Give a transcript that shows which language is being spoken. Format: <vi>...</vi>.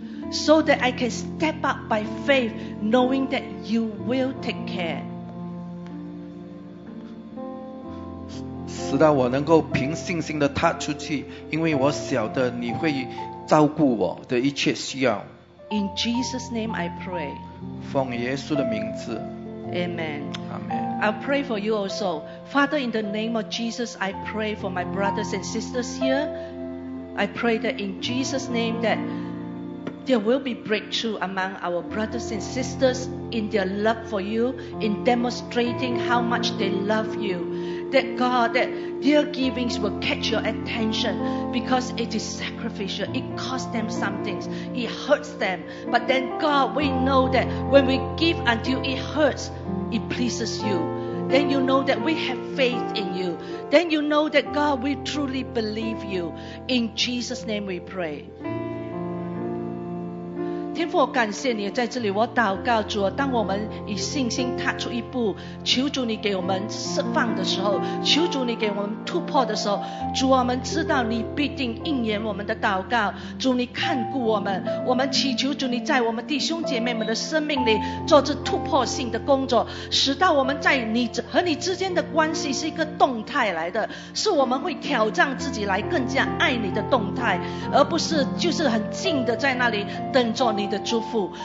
<en>So that I can step up by faith, knowing that you will take care.</en> <zh>使到我能够凭信心的踏出去，因为我晓得你会照顾我的一切需要。</zh> <en>In Jesus' name I pray.</en> <zh>奉耶稣的名字。</zh> <en>Amen. Amen. I'll pray for you also. Father, in the name of Jesus, I pray for my brothers and sisters here. I pray that in Jesus' name that there will be breakthrough among our brothers and sisters in their love for you, in demonstrating how much they love you. That God, that their givings will catch your attention because it is sacrificial. It costs them something. It hurts them. But then God, we know that when we give until it hurts, it pleases you. Then you know that we have faith in you. Then you know that God, we truly believe you. In Jesus' name we pray.</en> <zh>天父，我感谢你在这里，我祷告主，当我们以信心踏出一步，求主你给我们释放的时候，求主你给我们突破的时候，主，我们知道你必定应验我们的祷告，主你看顾我们，我们祈求主你在我们弟兄姐妹们的生命里做这突破性的工作，使到我们在你和你之间的关系是一个动态来的，是我们会挑战自己来更加爱你的动态，而不是就是很静的在那里等着你的祝福。</zh>